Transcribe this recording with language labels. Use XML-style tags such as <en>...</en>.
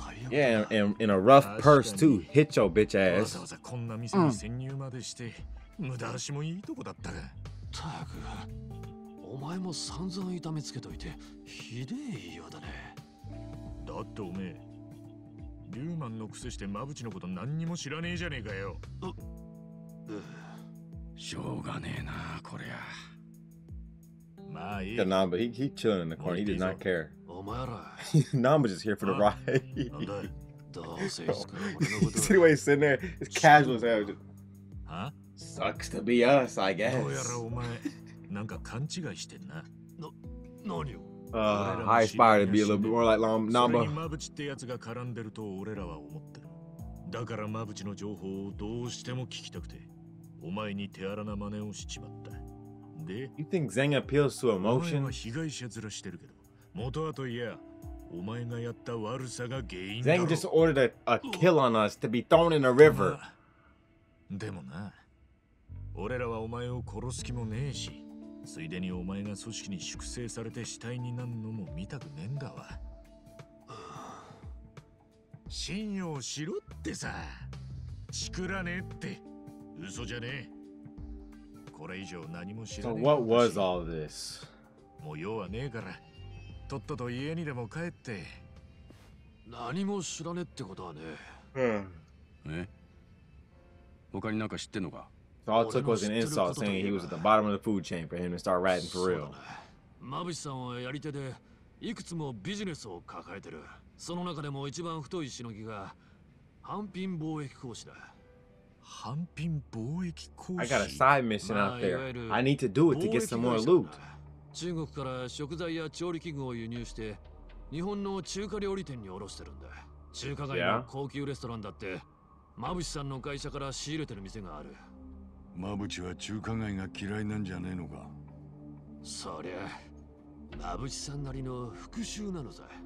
<en>Yeah, and in a rough purse too. Hit your bitch ass.</en> <ja>わざわざこんな店に潜入までして無駄足もいいとこだったが。たく、お前も散々痛めつけといてひでえ言いようだね。だってお前リューマンのくせしてマブチのこと何にも知らねえじゃねえかよ。しょうがねえな、こりゃ。まあいい。</ja> <en>ナンバ、he chilling in the corner. He did not care.</en> <ja>お前ら。</ja> <en>ナンバ just here for the ride.</en> <ja>なんだい。どうせ。</ja> <en>See the way he's sitting there. It's casual as hell. Sucks to be us, I guess.</en> <ja>どうやらお前、なんか勘違いしてんな。何を。</ja> <en>I aspire to be a little bit more like Namba.</en> <ja>マブチってやつが絡んでると俺らは思ってる。だからマブチの情報をどうしても聞きたくて、お前に手荒な真似をしちまった。で、</ja> <en>You think ZHENG appeals to emotion?</en> <ja>お前は被害者面してるけど、元はといや、お前がやった悪さが原因だろ。</ja> <en>ZHENG just ordered a kill on us to be thrown in a river.</en> <ja>でもな、俺らはお前を殺す気もねえし。ついでにお前が組織に粛清されて死体になるのも見たくねえんだわ。信用しろってさ。チクらねえって。嘘じゃねえ。これ以上何も知らねえ。</ja> <en>So what was all this?</en> <ja>もう用はねえから。とっとと家にでも帰って。何も知らねえってことはねえ。うん。他になんか知ってんのか？</ja> <en>So all it took was an insult saying he was at the bottom of the food chain for him to start ratting for real.</en> <ja>マブチさんはやり手でいくつもビジネスを抱えてる。その中でも一番太いしのぎがハンピン貿易公使だ。ハンピン貿易公使。</ja> <en>I got a side mission out there. I need to do it to get some more loot.</en> <ja>中国から食材や調理器具を輸入して日本の中華料理店に卸してるんだ。中華街の高級レストランだってマブチさんの会社から仕入れてる店がある。マブチは中華街が嫌いなんじゃねえのか。そりゃマブチさんなりの復讐なのさ。</ja>